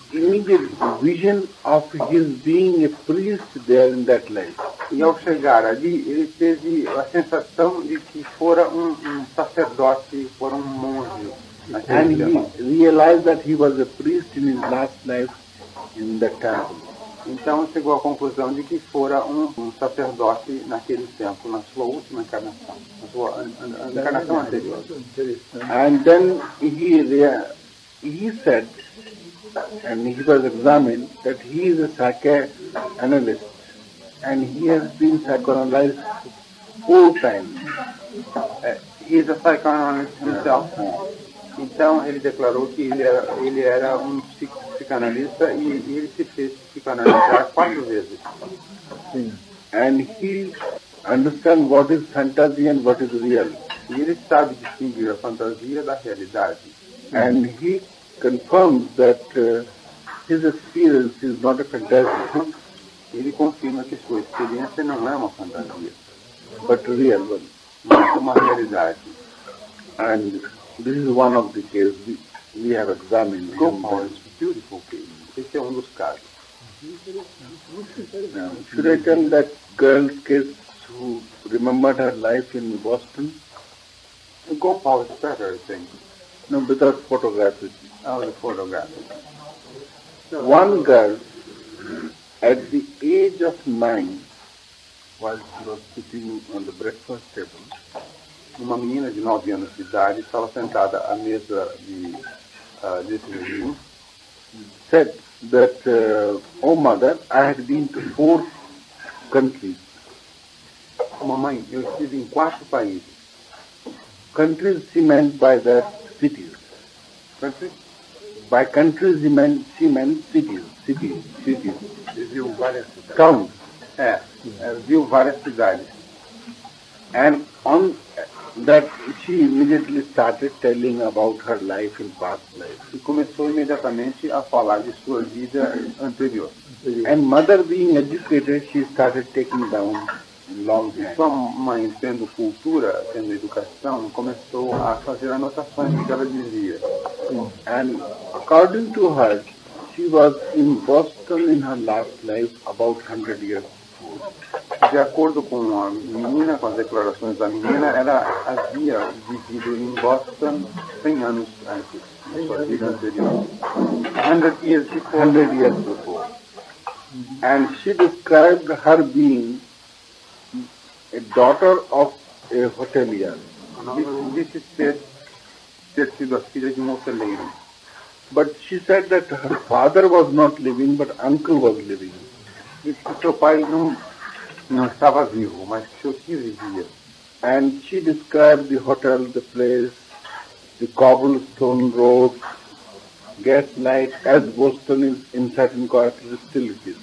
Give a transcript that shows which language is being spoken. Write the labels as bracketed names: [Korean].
[English] immediate vision of his being a priest there in that land. [Portuguese] E ao chegar ali, ele teve a sensação de que fora sacerdote, fora monge. [English] And he realized that he was a priest in his last life in the temple. [Portuguese] Então chegou à conclusão de que fora sacerdote naquele tempo, na sua última encarnação, na sua encarnação anterior. [English] And then he said, and he was examined, that he is a psychoanalyst, and he has been psychoanalyzed 4 times. He is a psychoanalyst himself. [Portuguese] Então ele declarou que ele era psicanalista e ele se fez psicanalizar 4 vezes. Sim. [English] And he understands what is fantasy and what is real. [Portuguese] E ele sabe distinguir a fantasia da realidade. [English] And he confirms that his experience is not a fantasy. [Portuguese] Ele confirma que sua experiência não é uma fantasia, [English] but real one. [Portuguese] Mas uma realidade. [English] And this is one of the cases we have examined. Go on, it's a beautiful case. This is one of the cases. Should I tell that girl's case who remembered her life in Boston? Go on, it's better, I think. No, without photographs. Oh, the photographs. One girl, at the age of 9, while she was sitting on the breakfast table, [Portuguese] uma menina de 9 anos de idade estava sentada à mesa de desse menino. [English] Said that, oh mother, I had been to 4 countries. [Portuguese] Mamãe, eu estive em 4 países. [English] Countries she meant by that cities. Countries? By countries she meant cities. Cities. [Portuguese] Cities. E viu várias cidades. [English] Towns. [Portuguese] É. Viu várias cidades. [English] And on that she immediately started telling about her life in past life. [Portuguese] E começou imediatamente a falar de sua vida anterior. [English] And mother being educated, she started taking down long time. [Portuguese] Sua mãe tendo cultura, tendo educação, começou a fazer anotações que ela dizia. [English] And according to her, she was in Boston in her last life about 100 years. [Portuguese] De acordo com a menina, com as declarações da menina, ela havia vivido em Boston 100 anos antes, na sua vida anterior. [English] 100 years before. 100 years before. And she described her being a daughter of a hotelier. [Portuguese] Disse ter sido a filha de um hoteleiro. [English] But she said that her father was not living, but uncle was living. [Portuguese] Disse que seu pai não estava vivo, mas seu tio vivia. [English] And she described the hotel, the place, the cobblestone road, gas light, as Boston is in certain quarters still it is.